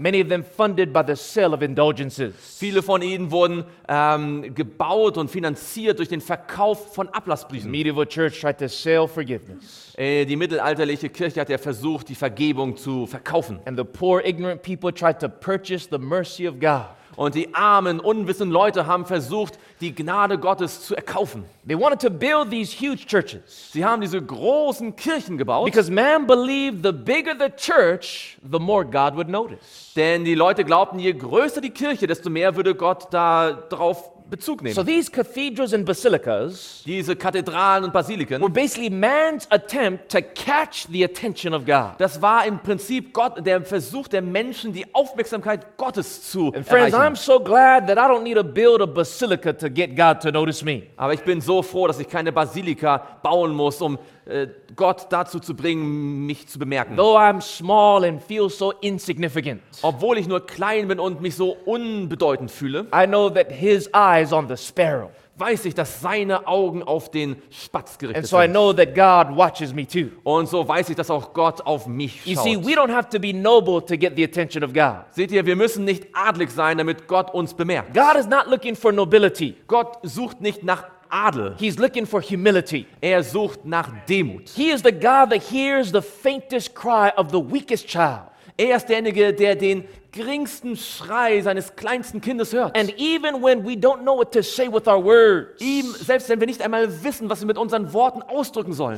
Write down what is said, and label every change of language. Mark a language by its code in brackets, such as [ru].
[en] Many of them funded by the sale of indulgences. [de] Viele von ihnen wurden gebaut und finanziert durch den Verkauf von Ablassbriefen. [en] Medieval church tried to sell forgiveness. [de] Die mittelalterliche Kirche hat ja versucht, die Vergebung zu verkaufen. [en] And the poor, ignorant people tried to purchase the mercy of God. [de] Und die armen, unwissenden Leute haben versucht, die Gnade Gottes zu erkaufen. [en] They wanted to build these huge churches. [de] Sie haben diese großen Kirchen gebaut. [en] Because man believed the bigger the church, the more God would notice. [de] Denn die Leute glaubten, je größer die Kirche, desto mehr würde Gott da drauf Bezug nehmen. [en] So these cathedrals and basilicas, [de] diese Kathedralen und Basiliken, [en] were basically man's attempt to catch the attention of God. [de] Das war im Prinzip Gott, der Versuch der Menschen, die Aufmerksamkeit Gottes zu erreichen. [en] And friends, I'm so glad that I don't need to build a basilica to get God to notice me. [de] Aber ich bin so froh, dass ich keine Basilika bauen muss, um Gott dazu zu bringen, mich zu bemerken. [en] Though I'm small and feel so insignificant. [de] Obwohl ich nur klein bin und mich so unbedeutend fühle. [en] I know that his eyes on the sparrow. [de] Weiß ich, dass seine Augen auf den Spatz gerichtet [en] and so [de] sind. [en] I know that God watches me too. [de] Und so weiß ich, dass auch Gott auf mich [en] you [de] schaut. [en] See, we don't have to be noble to get the attention of God. [de] Seht ihr, wir müssen nicht adlig sein, damit Gott uns bemerkt. [en] God is not looking for nobility. [de] Gott sucht nicht nach Adel. [en] He's looking for humility. [de] Er sucht nach Demut. [en] He is the God that hears the faintest cry of the weakest child. [de] Er ist derjenige, der den geringsten Schrei seines kleinsten Kindes hört. [en] And even when we don't know what to say with our words, [de] selbst wenn wir nicht einmal wissen, was wir mit unseren Worten ausdrücken sollen,